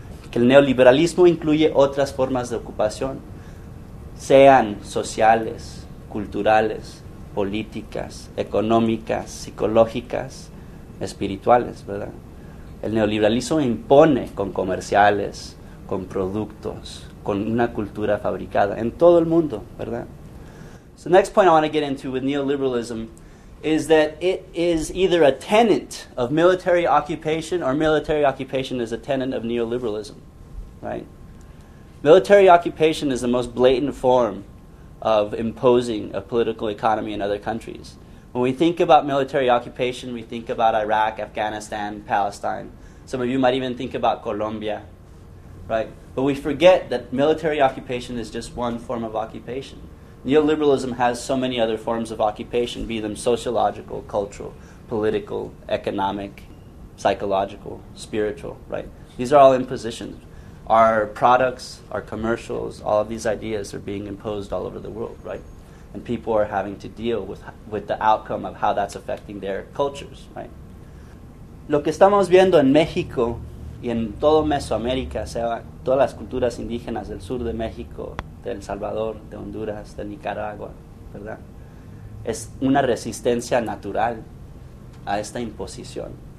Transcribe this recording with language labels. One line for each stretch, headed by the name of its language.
Spanish: Que el neoliberalismo incluye otras formas de ocupación, sean sociales, culturales, políticas, económicas, psicológicas, espirituales, ¿verdad? El neoliberalismo impone con comerciales, con productos, con una cultura fabricada en todo el mundo, ¿verdad?
English: So the next point I want to get into with neoliberalism is that it is either a tenet of military occupation or military occupation is a tenet of neoliberalism, right? Military occupation is the most blatant form of imposing a political economy in other countries. When we think about military occupation, we think about Iraq, Afghanistan, Palestine. Some of you might even think about Colombia, right? But we forget that military occupation is just one form of occupation. Neoliberalism has so many other forms of occupation, be them sociological, cultural, political, economic, psychological, spiritual, right? These are all impositions. Our products, our commercials, all of these ideas are being imposed all over the world, right? And people are having to deal with the outcome of how that's affecting their cultures, right?
Spanish: Lo que estamos viendo en México y en todo Mesoamérica, sea todas las culturas indígenas del sur de México, de El Salvador, de Honduras, de Nicaragua, ¿verdad? Es una resistencia natural a esta imposición.